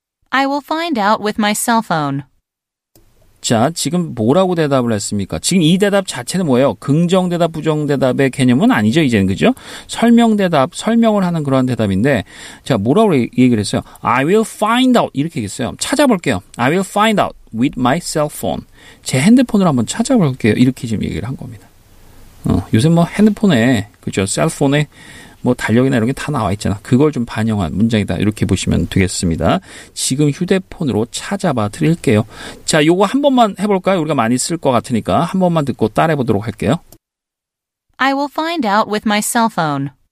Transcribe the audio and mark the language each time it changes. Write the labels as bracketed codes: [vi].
[en] I will find out with my cell phone. [ko] 자, 지금 뭐라고 대답을 했습니까? 지금 이 대답 자체는 뭐예요? 긍정 대답, 부정 대답의 개념은 아니죠, 이제는. 그죠? 설명 대답, 설명을 하는 그런 대답인데, 자, 뭐라고 얘기를 했어요? [en] I will find out. [ko] 이렇게 얘기했어요. 찾아볼게요. [en] I will find out with my cell phone. [ko] 제 핸드폰으로 한번 찾아볼게요. 이렇게 지금 얘기를 한 겁니다. 요새 뭐 핸드폰에, 그죠? 셀폰에, 뭐 달력이나 이런 게 다 나와 있잖아. 그걸 좀 반영한 문장이다. 이렇게 보시면 되겠습니다. 지금 휴대폰으로 찾아봐 드릴게요. 자, 요거 한 번만 해볼까요? 우리가 많이 쓸 것 같으니까 한 번만 듣고 따라해보도록 할게요. [en] I will find out with my cell phone.